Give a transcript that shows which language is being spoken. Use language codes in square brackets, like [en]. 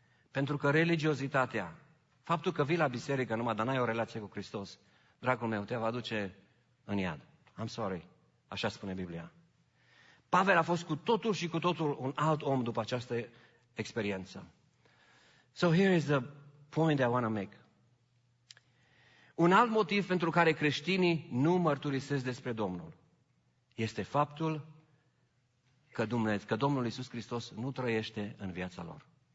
[ro] Pentru că religiozitatea, faptul că vii la biserică numai, dar n-ai o relație cu Hristos, dragul meu, te va duce în iad. [en] I'm sorry, [ro] așa spune Biblia. Pavel a fost cu totul și cu totul un alt om după această experiență. [en] So here is the point I want to make. [ro] Un alt motiv pentru care creștinii nu mărturisesc despre Domnul este faptul că Domnul Iisus Hristos nu trăiește în viața lor.